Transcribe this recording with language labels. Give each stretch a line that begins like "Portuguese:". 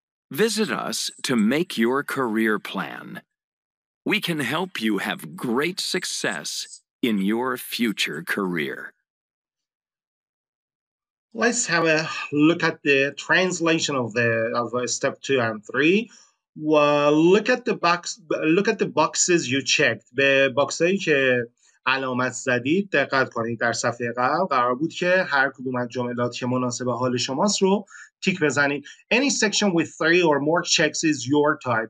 English: Visit us to make your career plan. We can help you have great success in your future career. Let's have a look at the translation of step 2 and 3. Look at the boxes you checked.
Persian: به بکسایی که علامت زدید دقت کنید. در صفحه قبل قرار بود که هر کدوم از جملات که مناسب حال شماست رو تیک بزنید.
English: Any section with 3 or more checks is your type.